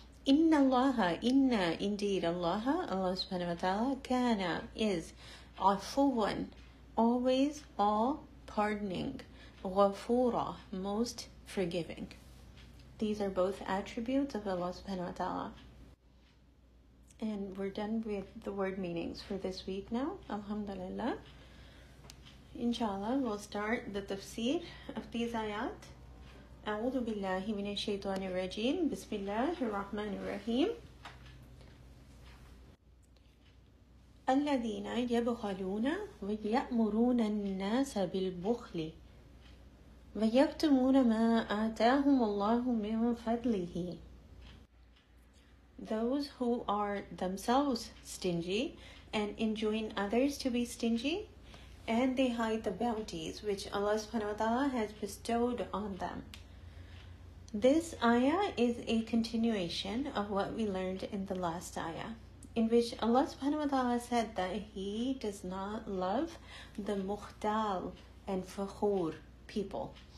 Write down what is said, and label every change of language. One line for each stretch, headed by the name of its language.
Arabic: Inna Allaha, inna,
English: indeed, Allaha, Allah subhanahu wa ta'ala,
Arabic: kana,
English: is,
Arabic: afuwan,
English: always, all, pardoning,
Arabic: ghafura,
English: most forgiving. These are both attributes of Allah subhanahu wa ta'ala. And we're done with the word meanings for this week now, alhamdulillah. Inshallah, we'll start the tafsir of these ayat.
Arabic: أعوذ بالله من الشيطان الرجيم بسم الله الرحمن الرحيم الذين يبخلون ويأمرون الناس بالبخل ويكتمون ما آتاهم الله من فضله.
English: Those who are themselves stingy and enjoin others to be stingy, and they hide the bounties which Allah subhanahu wa ta'ala has bestowed on them. This ayah is a continuation of what we learned in the last ayah, in which Allah subhanahu wa ta'ala said that He does not love the mukhtal and fakhur people.